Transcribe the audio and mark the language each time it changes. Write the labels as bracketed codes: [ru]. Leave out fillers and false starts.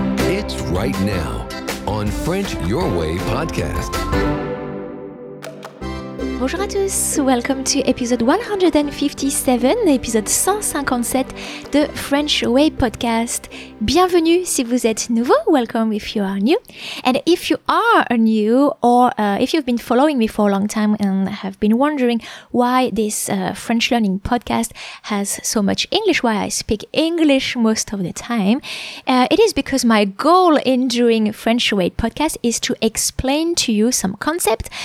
[en] It's right now on French Your Way podcast. [fr] Bonjour à tous, [en] welcome to episode 157, [fr] épisode 157 de French Way Podcast. Bienvenue si vous êtes nouveau, [en] welcome if you are new. And if you are new or if you've been following me for a long time and have been wondering why this French learning podcast has so much English, why I speak English most of the time, it is because my goal in doing French Way Podcast is to explain to you some concepts.